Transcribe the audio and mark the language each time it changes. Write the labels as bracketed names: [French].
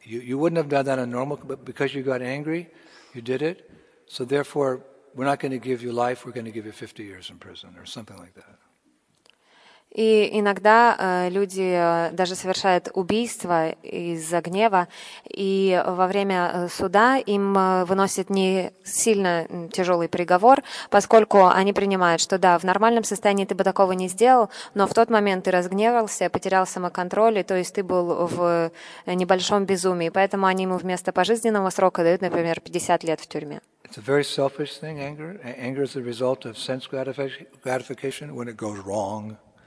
[English] You wouldn't have done that on normal, but because you got angry, you did it. So therefore, we're not going to give you life, we're going to give you 50 years in prison or something like that. [Russian] И иногда люди даже совершают убийство из-за гнева, и во время суда им выносят не сильно тяжелый приговор, поскольку они принимают, что да, в нормальном состоянии ты бы такого не сделал, но в тот момент ты разгневался, потерял самоконтроль, и, то есть ты был в небольшом безумии, поэтому они ему вместо пожизненного срока дают, например, 50 лет в тюрьме. [English] It's a very selfish thing, anger. Anger is the result of sense gratification when it goes wrong.